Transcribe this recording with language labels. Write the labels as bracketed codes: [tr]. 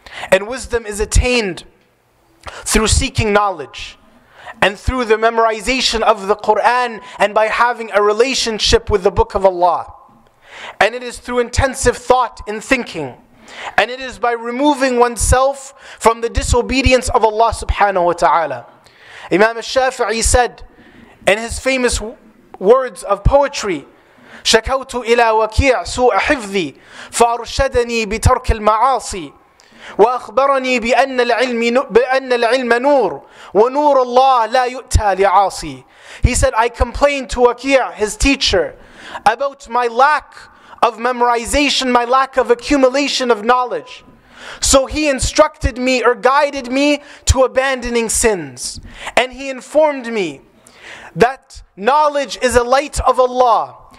[en] And wisdom is attained through seeking knowledge, and through the memorization of the Qur'an, and by having a relationship with the book of Allah. And it is through intensive thought and thinking. And it is by removing oneself from the disobedience of Allah subhanahu wa ta'ala. Imam al-Shafi'i said in his famous words of poetry, [ar] شَكَوْتُ إِلَىٰ وَكِيعْ سُوءَ حِفْظِي فَأَرْشَدَنِي بِتَرْكِ الْمَعَاصِي وَأَخْبَرَنِي بِأَنَّ الْعِلْمَ نُورُ وَنُورَ اللَّهِ لَا يُؤْتَى لِعَاصِي. [en] He said, I complained to Waqi'ah, his teacher, about my lack of memorization, my lack of accumulation of knowledge. So he instructed me or guided me to abandoning sins. And he informed me that knowledge is a light of Allah.